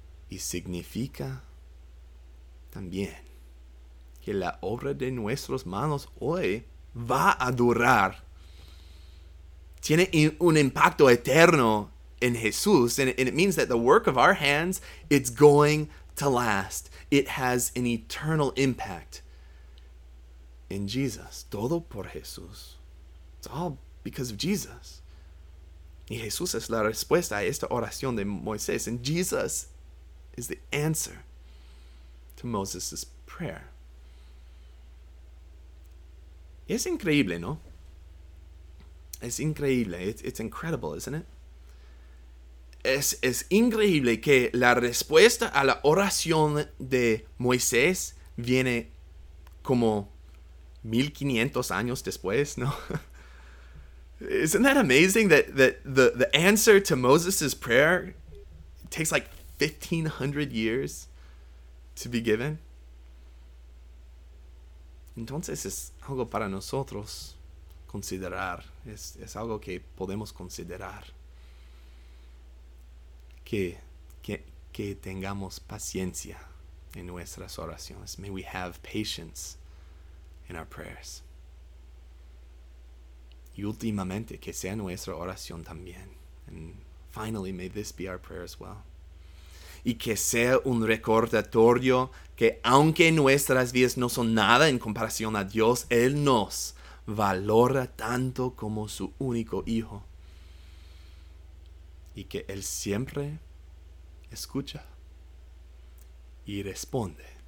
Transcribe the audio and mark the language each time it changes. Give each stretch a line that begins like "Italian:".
Spanish: Y significa también que la obra de nuestras manos hoy va a durar. Tiene un impacto eterno en Jesús.
English: And it means that the work of our hands, it's going to last. It has an eternal impact in Jesus.
Spanish: Todo por Jesús.
English: It's all because of Jesus.
Spanish: Y Jesús es la respuesta a esta oración de Moisés.
English: And Jesus is the answer to Moses' prayer.
Spanish: Y es increíble, ¿no? Es increíble.
English: It's incredible, isn't it?
Spanish: Es increíble que la respuesta a la oración de Moisés viene como 1500 años después, ¿no?
English: Isn't that amazing that the answer to Moses' prayer takes like 1500 years to be given?
Spanish: Entonces es algo para nosotros considerar. Es algo que podemos considerar. Que tengamos paciencia en nuestras oraciones.
English: May we have patience in our prayers.
Spanish: Y últimamente, que sea nuestra oración también.
English: And finally, may this be our prayer as well.
Spanish: Y que sea un recordatorio que aunque nuestras vidas no son nada en comparación a Dios, Él nos valora tanto como su único Hijo. Y que Él siempre escucha y responde.